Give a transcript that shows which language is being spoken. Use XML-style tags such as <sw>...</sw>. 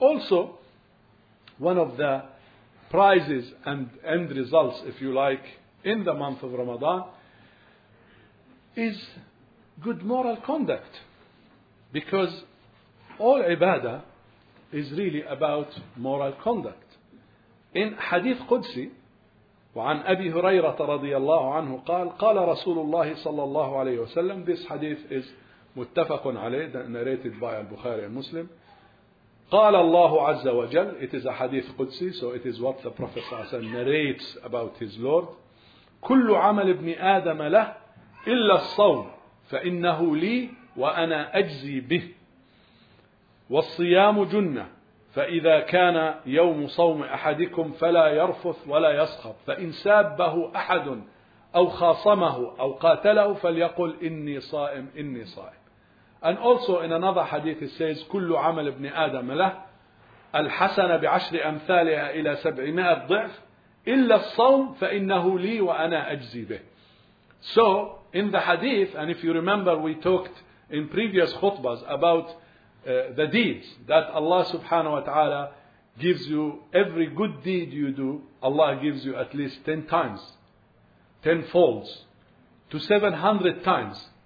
<en>Also, one of the prizes and end results, if you like, in the month of Ramadan is good moral conduct, because all ibadah is really about moral conduct.</en> <ar>In Hadith Qudsi, وعن أبي هريرة رضي الله عنه قال قال رسول الله صلى الله عليه وسلم.</ar> <en>This hadith is</en> <ar>متفق عليه,</ar> <en>narrated by Al-Bukhari and Muslim.</en> <ar>قال الله عز وجل,</ar> <en>it is a hadith Qudsi, so it is what the Prophet narrates about his Lord.</en> <ar>كل عمل ابن آدم له إلا الصوم فإنه لي وأنا أجزي به والصيام جنة ف فإذا كان يوم صوم أحدكم فلا يرفث ولا يصخب، فإن سابه أحد أو خاصمه أو قاتله فليقل إني صائم إني صائم.</ar> <en>And also in another hadith it says</en> <ar>كل عمل ابن آدم له الحسنة بعشر أمثالها إلى 700 ضعف إلا الصوم فإنه لي وأنا أجزي به.</ar> <en>So in the hadith, and if you remember we talked in previous khutbas about the deeds that Allah subhanahu wa ta'ala gives you, every good deed you do, Allah gives you at least 10 times, 10 folds, to 700 times.</en>